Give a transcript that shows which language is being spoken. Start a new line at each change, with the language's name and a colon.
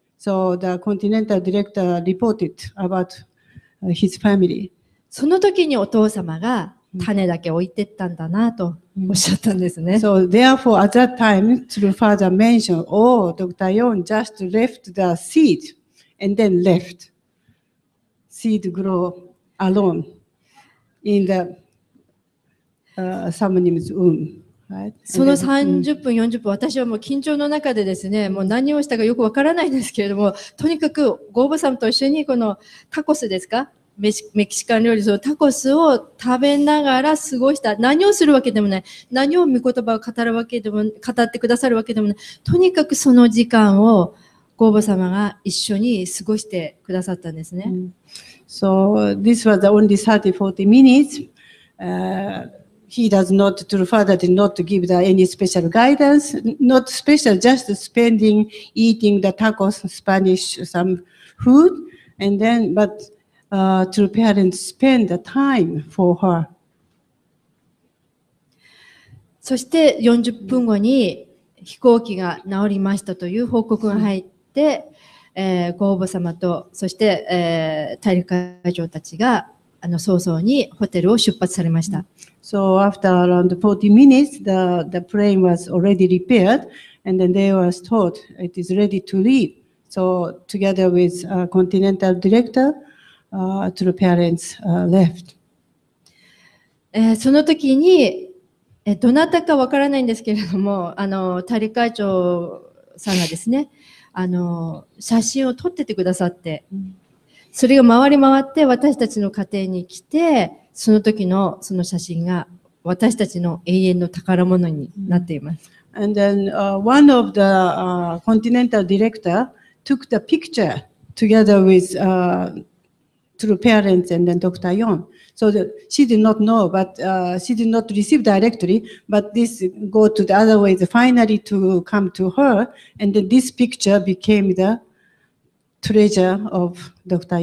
English: So the continental director reported about his family.
Japanese: その時にお父様が種だけ置いてったんだなとおっしゃったんですね。
English: So therefore, at that time, true father mentioned, "Oh, Dr. Yon just left the seed, and then left seed grow alone." In the Samnim's womb, right?
Japanese: その30分40分私はもう緊張の中でですね、もう何をしたかよくわからないんですけれども、とにかくゴーブさんと一緒にこのタコスですか、メキシカン料理、そのタコスを食べながら過ごした。何をするわけでもない、何を御言葉を語るわけでも、語ってくださるわけでもない、とにかくその時間をゴーブ様が一緒に過ごしてくださったんですね。
English: So this was the only 30-40 minutes. He does not, true father did not give the any special guidance. Not special, just spending, eating the tacos, Spanish, some food. And then, but true parents spend the time for her.
Japanese: そして40分後に飛行機が直りましたという報告が入って、ご応募様とそして、大陸会長たちが早々にホテルを出発されました。
English: So after around 40 minutes, the plane was already repaired, and then they were told it is ready to leave. So together with continental director, two parents left.
Japanese: その時に、どなたかわからないんですけれども、大陸会長さんがですね。写真を撮っててくださって、それが回り回って私たちの家庭に来て、その時のその写真が私たちの永遠の宝物になっています。
English: And then one of the continental director took the picture together with through parents and then Dr. Yon. So the, she did not know, but she did not receive directly, but this go to the other way, the finally to come to her, and then this picture became the treasure of Dr.